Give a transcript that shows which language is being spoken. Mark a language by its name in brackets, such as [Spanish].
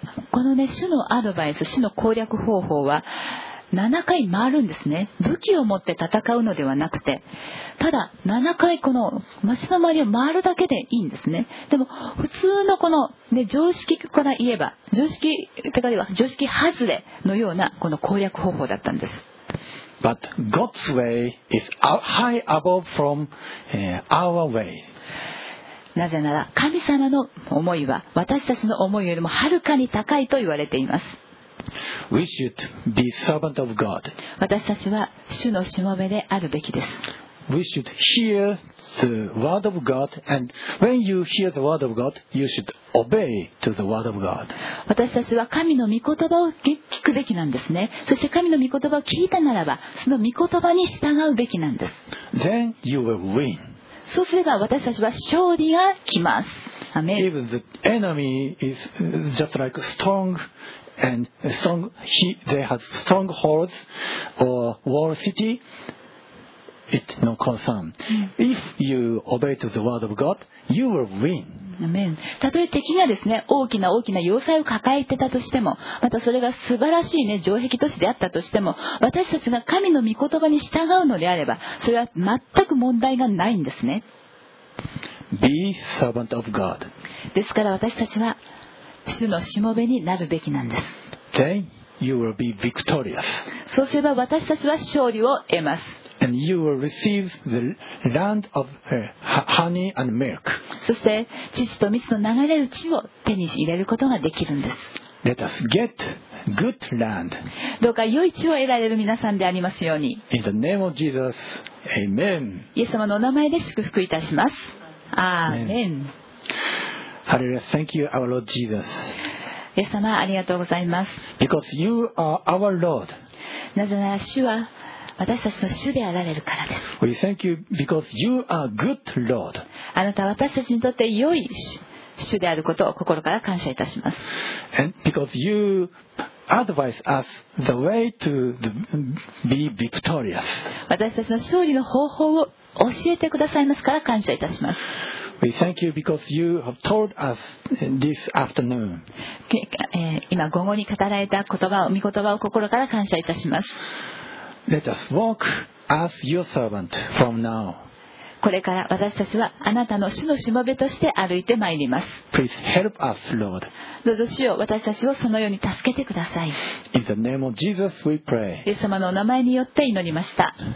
[Japanese] このね、主のアドバイス、主の攻略方法は7回回るんですね。武器を持って戦うのではなくて、ただ7回この町の周りを回るだけでいいんですね。でも普通のこの、ね、常識から言えば、常識ってかでは常識外れのようなこの攻略方法だったんです。 [English] But God's way is high above from our way. [Japanese] なぜなら神様の思いは私たちの思いよりもはるかに高いと言われています。 [English] We should be servant of God. [Japanese] 私たちは主のしもべであるべきです。 [English] We should hear the word of God, and when you hear the word of God, you should obey to the word of God. [Japanese] 私たちは神の御言葉を聞くべきなんですね。そして神の御言葉を聞いたならば、その御言葉に従うべきなんです。 [English] Then you will win. [Japanese] そうすれば私たちは勝利が来ます。アメン。 [English] Even the enemy is just like a strong. And strong, they have strongholds or walled city. It's no concern. If you obey to the word of God, you will win. Amen. [Japanese] たとえ敵がですね、大きな大きな要塞を抱えてたとしても、またそれが素晴らしいね、城壁都市であったとしても、私たちが神の御言葉に従うのであれば、それは全く問題がないんですね。 [English] Be servant of God. [Japanese] ですから私たちは主のしもべになるべきなんです。 [English] Then you will be victorious. [Japanese] そうすれば私たちは勝利を得ます。 [English] And you will receive the land of honey and milk. [Japanese] そして乳と蜜の流れる地を手に入れることができるんです。 [English] Let us get good land. [Japanese] どうか良い地を得られる皆さんでありますように。 [English] In the name of Jesus, Amen. [Japanese] イエス様のお名前で祝福いたします。アーメン。 [English] Hallelujah. Thank you, our Lord Jesus. [Japanese] イエス様、ありがとうございます。 [English] Because you are our Lord. [Japanese] なぜなら主は私たちの主であられるからです。 [English] We thank you because you are good Lord. [Japanese] あなたは私たちにとって良い主であることを心から感謝いたします。 [English] And because you advise us the way to the, be victorious. [Japanese] 私たちの勝利の方法を教えてくださいますから感謝いたします。 [English] We thank you because you have told us this afternoon. [Japanese] 今午後に語られた言葉を、御言葉を心から感謝いたします。 [English] Let us walk as your servant from now. [Japanese] これから私たちはあなたの主のしもべとして歩いてまいります。 [English] Please help us, Lord. [Japanese] どうぞ主よ、私たちをそのように助けてください。 [English] In the name of Jesus, we pray. [Japanese] イエス様のお名前によって祈りました。